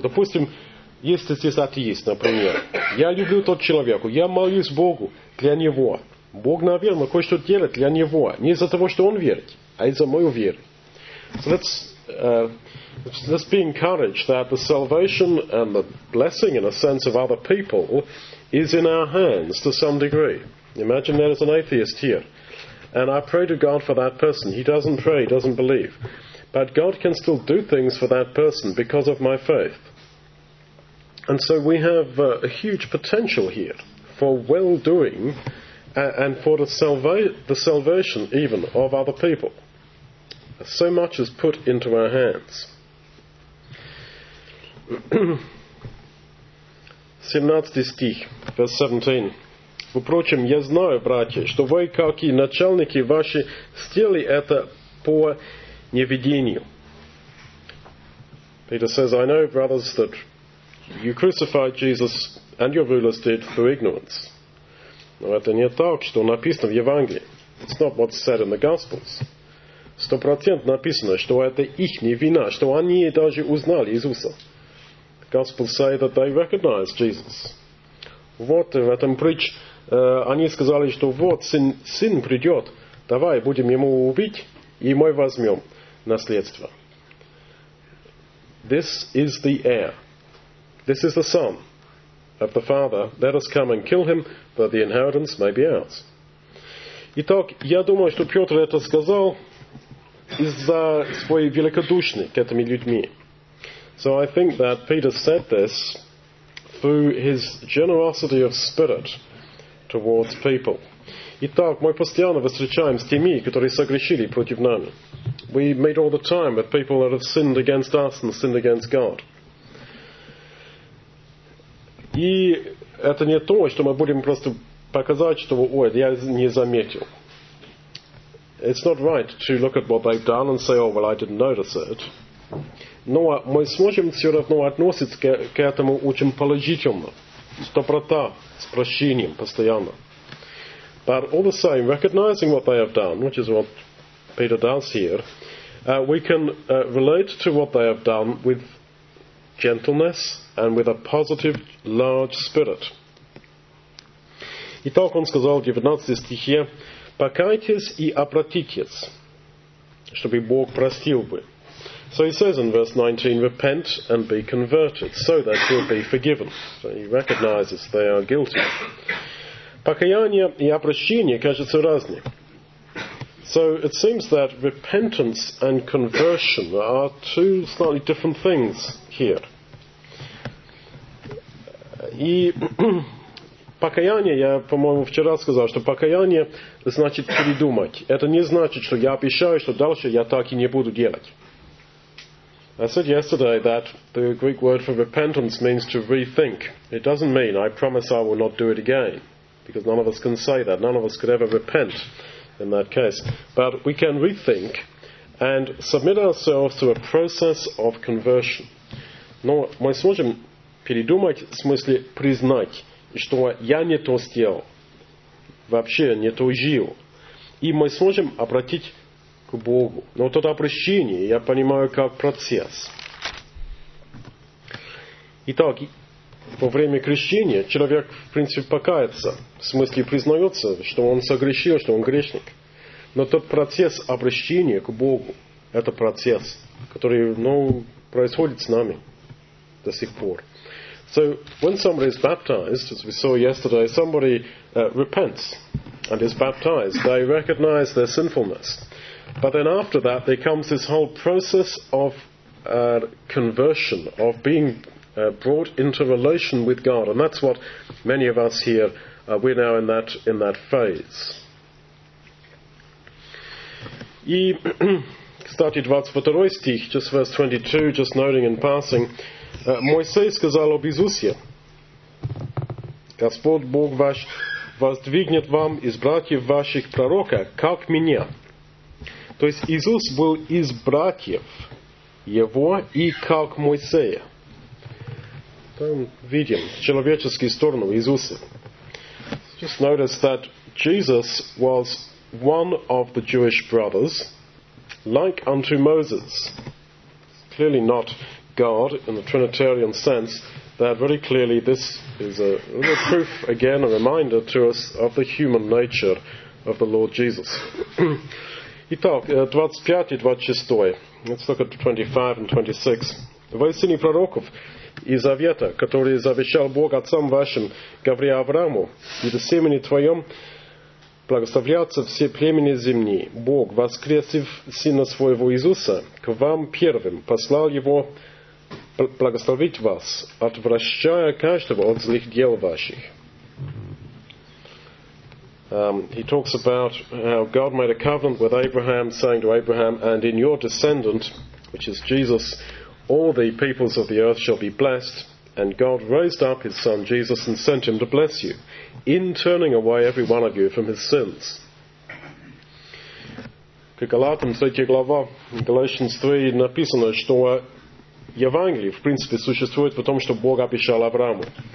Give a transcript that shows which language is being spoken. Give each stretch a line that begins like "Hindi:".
Russian: Допустим, если здесь атеист, например, я люблю тот человека, я молюсь Богу для него. Бог, наверное, кое-что делает для него. Не из-за того, что он верит, а из-за мою веру.
English: So let's be encouraged that the salvation and the blessing, in a sense, of other people is in our hands to some degree. Imagine there is an atheist here. And I pray to God for that person. He doesn't pray, he doesn't believe. But God can still do things for that person because of my faith. And so we have a huge potential here for well-doing and for the salvation even of other people. So much is put into our hands.
Russian: 17 стих,
English: verse 17.
Russian: Впрочем, я знаю, братья, что вы, как и начальники ваши, сделали это по неведению.
English: Peter says, I know, brothers, that you crucified Jesus and your rulers did through ignorance.
Russian: Но это не так, что написано в Евангелии.
English: It's not what's said in the Gospels.
Russian: 100% написано, что это их вина, что они даже узнали Иисуса.
English: The Gospels say that they recognized Jesus.
Russian: Вот в этом притч они сказали, что вот сын придет, давай будем ему убить, и мы возьмем наследство.
English: This is the heir. This is the son of the father. Let us come and kill him, that the inheritance may be ours.
Russian: Итак, я думаю, что Петр это сказал из-за своей великодушной к этими людьми.
English: So I think that Peter said this through his generosity of spirit towards people.
Russian: Итак, мы постоянно встречаем с теми, которые согрешили против нами.
English: We meet all the time with people that have sinned against us and sinned against God.
Russian: И это не то, что мы будем просто показать, что ой, я не заметил.
English: It's not right to look at what they've done and say, oh, well, I didn't notice it.
Russian: Но мы сможем все равно относиться к этому очень положительно. С доброта, с прощением постоянно.
English: But all the same, recognizing what they have done, which is what Peter does here, we can relate to what they have done with gentleness and with a positive, large spirit.
Russian: Итак, он сказал в 19 стихе, покайтесь и обратитесь, чтобы Бог простил бы.
English: So he says in verse 19, repent and be converted, so that you'll be forgiven. So he recognizes they are guilty.
Russian: Покаяние и обращение кажутся разными.
English: So it seems that repentance and conversion are two slightly different things here.
Russian: И покаяние, я, по-моему, вчера сказал, что покаяние значит передумать. Это не значит, что я обещаю, что дальше я так и не буду делать.
English: I said yesterday that the Greek word for repentance means to rethink. It doesn't mean I promise I will not do it again. Because none of us can say that. None of us could ever repent in that case. But we can rethink and submit ourselves to a process of conversion.
Russian: Но мы сможем передумать, в смысле признать, что я не то сделал, вообще не то жил. И мы сможем обратить к Богу. Но вот это обращение, я понимаю, как процесс. Итак, во время крещения человек, в принципе, покается, в смысле признается, что он согрешил, что он грешник. Но тот процесс обращения к Богу, это процесс, который, ну, происходит с нами до сих пор.
English: So, when somebody is baptized, as we saw yesterday, somebody repents and is baptized. They recognize their sinfulness. But then after that, there comes this whole process of conversion, of being brought into relation with God, and that's what many of us here we're now in that phase.
Russian: И кстати, 22 стих,
English: just verse 22, just noting in passing,
Russian: Моисей сказал об Иисусе: Господь Бог ваш воздвигнет вам из братьев ваших пророка, как меня. То есть Иисус был из братьев его и как Моисея. Там видим человеческую сторону Иисуса.
English: Just notice that Jesus was one of the Jewish brothers, like unto Moses. Clearly not God in the Trinitarian sense. That very clearly this is a little proof, again, a reminder to us of the human nature of the Lord Jesus.
Russian: Итак,
English: 25 и 26. Let's look at 25 and 26.
Russian: Воистину пророков и завета, который завещал Бог отцам вашим, говоря Аврааму, и до семени твоем благословляются все племени земли. Бог, воскресив сына своего Иисуса, к вам первым послал его благословить вас, отвращая каждого от злых дел ваших.
English: He talks about how God made a covenant with Abraham, saying to Abraham, and in your descendant, which is Jesus, all the peoples of the earth shall be blessed. And God raised up his son Jesus and sent him to bless you, in turning away every one of you from his sins.
Russian: К Галатам 3 глава, Galatians 3 написано, что Евангелие, в принципе, существует в том, что Бог обещал Аврааму.